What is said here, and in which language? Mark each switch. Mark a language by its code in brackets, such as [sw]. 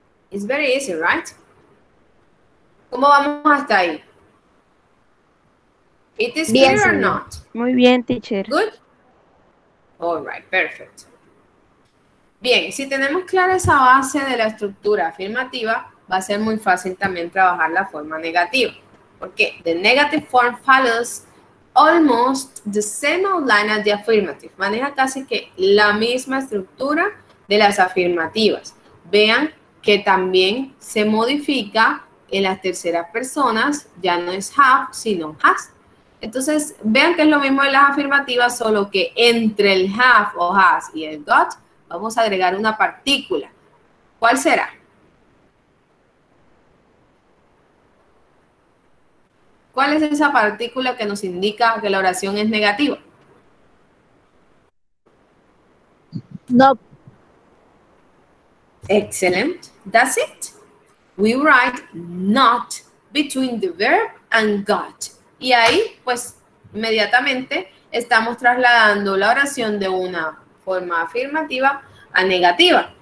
[en] It's very easy, right? [es] ¿Cómo vamos hasta ahí? [en] It is bien, clear, señor. Or not? [es] Muy bien, teacher. [en] Good? All right, perfect. [es] Bien, si tenemos clara esa base de la estructura afirmativa, va a ser muy fácil también trabajar la forma negativa. [en] Porque the negative form follows almost the same outline as the affirmative. [es] Maneja casi que la misma estructura de las afirmativas. Vean que también se modifica en las terceras personas. Ya no es have, sino has. Entonces, vean que es lo mismo de las afirmativas, solo que entre el have o has y el got, vamos a agregar una partícula. ¿Cuál será? ¿Cuál es esa partícula que nos indica que la oración es negativa? No. [en] Excellent. That's it. We write not between the verb and got. [es] Y ahí, pues, inmediatamente estamos trasladando la oración de una forma afirmativa a negativa.